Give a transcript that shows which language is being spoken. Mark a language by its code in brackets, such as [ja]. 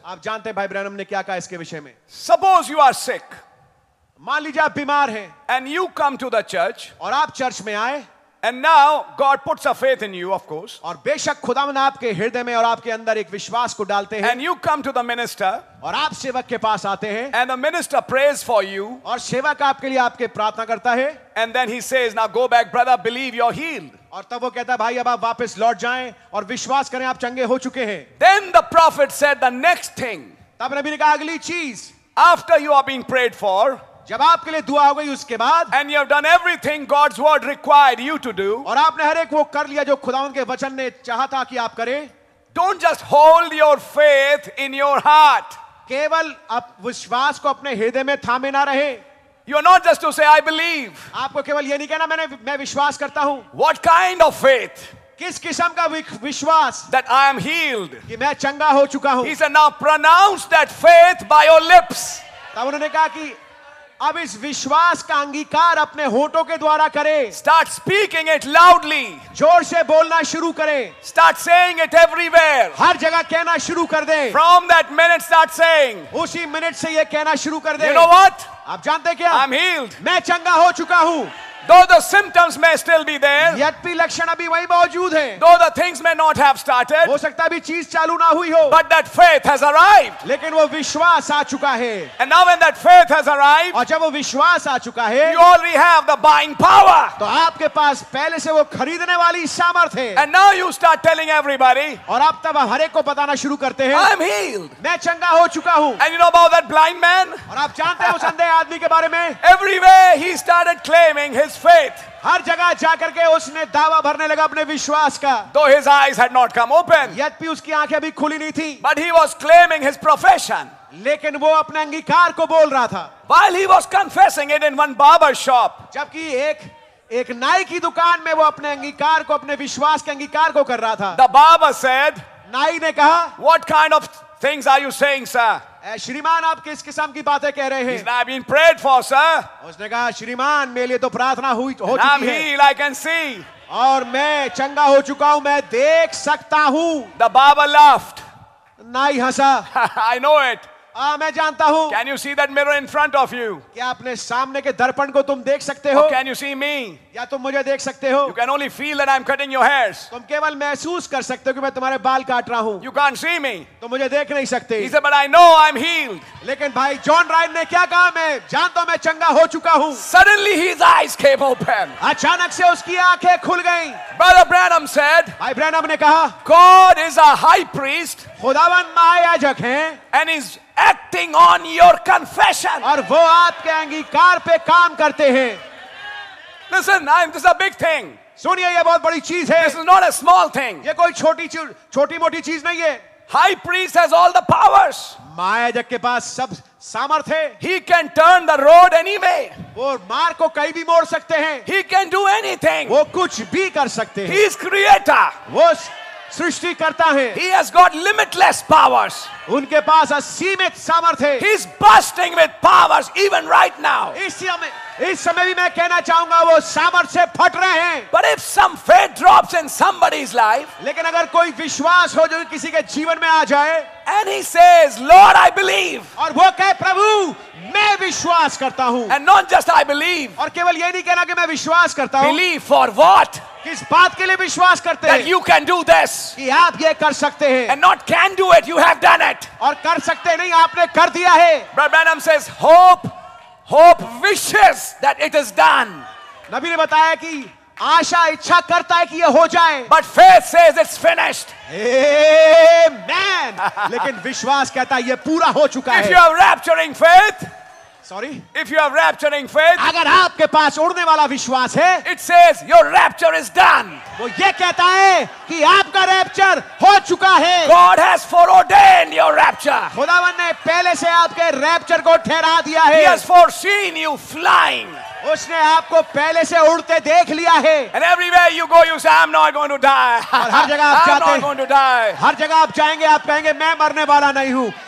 [hi] आप जानते हैं भाई ब्रैनम ने क्या कहा इसके विषय में. [en] Suppose you are sick. [hi] मान लीजिए आप बीमार हैं. [en] And you come to the church. [hi] और आप चर्च में आए. [en] And now God puts a faith in you, of course. [hi] और बेशक खुदावन आपके हृदय में और आपके अंदर एक विश्वास को डालते हैं. [en] And you come to the minister. [hi] और आप सेवक के पास आते हैं. [en] And the minister prays for you. [hi] और सेवक आपके लिए आपके प्रार्थना करता है. [en] And then he says, now go back, brother, believe you're healed. [hi] और तब वो कहता है भाई अब आप वापस लौट जाएं और विश्वास करें आप चंगे हो चुके हैं. [en] Then the prophet said the next thing. [hi] तब नबी ने कहा अगली चीज. [en] After you are being prayed for. [hi] जब आपके लिए दुआ हो गई उसके बाद. [en] And you have done everything God's word required you to do. [hi] और आपने हर एक वो कर लिया जो खुदावन के वचन ने चाहा था कि आप करें. [en] Don't just hold your faith in your heart. [hi] केवल आप विश्वास को अपने हृदय में थामे ना रहे. [en] You are not just to say I believe. [hi] आपको केवल ये नहीं कहना मैं विश्वास करता हूं. [en] What kind of faith? [hi] किस किस्म का विश्वास? [en] That I am healed. [hi] कि मैं चंगा हो चुका हूं. [en] He said, now pronounce that faith by your lips. [hi] तब उन्होंने कहा कि अब इस विश्वास का अंगीकार अपने होठों के द्वारा करें. [en] Start speaking it loudly. [hi] जोर से बोलना शुरू करें. [en] Start saying it everywhere. [hi] हर जगह कहना शुरू कर दें. [en] From that minute start saying. [hi] उसी मिनट से ये कहना शुरू कर दें. [en] You know what? [hi] आप जानते क्या? [en] I'm healed. [hi] मैं चंगा हो चुका हूँ. [en] Though the symptoms may still be there, yet [hi] भी लक्षण अभी वही मौजूद हैं. [en] Though the things may not have started, [hi] हो सकता भी चीज चालू ना हुई हो. [en] But that faith has arrived. [hi] लेकिन वो विश्वास आ चुका है. [en] And now when that faith has arrived, [hi] और जब वो विश्वास आ चुका है, [en] you already have the buying power. [hi] तो आपके पास पहले से वो खरीदने वाली सामर्थ्य है. [en] And now you start telling everybody, [hi] और आप तब हर एक को बताना शुरू करते हैं, [en] I'm healed. [hi] मैं चंगा हो चुका हूँ. [en] And you know about that blind man? [hi] और आप जानते हैं उस अंधे आदमी के बारे में? [en] Everywhere he started claiming his faith. [hi] हर जगह जाकर के उसने दावा भरने लगा अपने विश्वास का. [en] Though his eyes had not come open, [hi] यद भी उसकी आंखें अभी खुली नहीं थी. [en] But he was claiming his profession. [hi] लेकिन वो अपने अंगीकार को बोल रहा था. [en] While he was confessing it in one barber shop, [hi] जबकि एक नाई की दुकान में वो अपने अंगीकार को, अपने विश्वास के अंगीकार को कर रहा था. [en] The barber said, [hi] नाई ने कहा, [en] What kind of things are you saying, sir? [hi] श्रीमान आप किस किस्म की बातें कह रहे हैं? [en] I've been prayed for, sir. [hi] उसने कहा, श्रीमान मेरे लिए तो प्रार्थना हुई हो चुकी है. [en] I'm healed, I can see. [hi] और मैं चंगा हो चुका हूं, मैं देख सकता हूं. [en] The barber laughed. [hi] नाई हंसा. [en] I know it. [hi] मैं जानता हूं. [en] Can you see that mirror in front of you? [hi] क्या आपने सामने के दर्पण को तुम देख सकते हो? [en] Or can you see me? [hi] या तुम मुझे देख सकते हो? [en] You can only feel that I'm cutting your hairs. [hi] तुम केवल महसूस कर सकते हो कि मैं तुम्हारे बाल काट रहा हूं. [en] You can't see me. [hi] तुम मुझे देख नहीं सकते. [en] He said, but I know I'm healed. [hi] लेकिन भाई जॉन राइन ने क्या कहा? मैं जानता हूं मैं चंगा हो चुका हूं. [en] Suddenly his eyes came open. [hi] अचानक से उसकी आंखें खुल गई. [en] Brother Branham said, [hi] भाई ब्रैनम ने कहा, [en] God is a high priest. [hi] खुदावन महायाजक है. [en] And is acting on your confession. [hi] और वो आपके अंगीकार पे काम करते हैं. [en] Listen, this is a big thing. [hi] सुनिए, ये बहुत बड़ी चीज है. [en] This is not a small thing. [hi] ये कोई छोटी छोटी मोटी चीज नहीं है. [en] High priest has all the powers. [hi] महायाजक के पास सब सामर्थ्य है. [en] He can turn the road anyway. [hi] वो मार को कहीं भी मोड़ सकते हैं. [en] He can do anything. [hi] वो कुछ भी कर सकते हैं. [en] He is creator. [hi] वो सृष्टि करता है. [en] He has got limitless powers. [hi] उनके पास असीमित सामर्थ्य है. [en] He's bursting with powers even right now. [hi] इस समय भी मैं कहना चाहूंगा वो सामर्थ्य से फट रहे हैं. [en] But if some faith drops in somebody's life, [hi] लेकिन अगर कोई विश्वास हो जो किसी के जीवन में आ जाए, [en] and he says, Lord, I believe. [hi] और वो कहे, प्रभु मैं विश्वास करता हूँ. [en] And not just I believe. [hi] और केवल ये नहीं कहना कि मैं विश्वास करता हूँ. [en] Believe for what? [hi] किस बात के लिए विश्वास करते हैं? [en] That you can do this. [hi] कि आप ये कर सकते हैं. [en] And not can do it, you have done it. [hi] और कर सकते नहीं, आपने कर दिया है. [en] Brother Branham says, hope wishes that it is done. [hi] नबी ने बताया कि आशा इच्छा करता है कि ये हो जाए. [en] But faith says it's finished. Amen. [hi] लेकिन विश्वास कहता है ये पूरा हो चुका है. [en] If you are rapturing faith, sorry. If you are rapturing faith, [hi] अगर आपके पास उड़ने वाला विश्वास है, [en] it says your rapture is done. [hi] वो ये कहता है कि आपका रैप्चर हो चुका है. [en] God has foreordained your rapture. [hi] खुदावन ने पहले से आपके रैप्चर को ठहरा दिया है. [en] He has foreseen you flying. [hi] उसने आपको पहले से उड़ते देख लिया है. [en] And everywhere you go, you say, I'm not going to die. [hi] हर जगह आप जाते, [en] I'm not going to die. [hi] हर जगह आप जाएंगे, आप कहेंगे, मैं मरने वाला नहीं हूँ.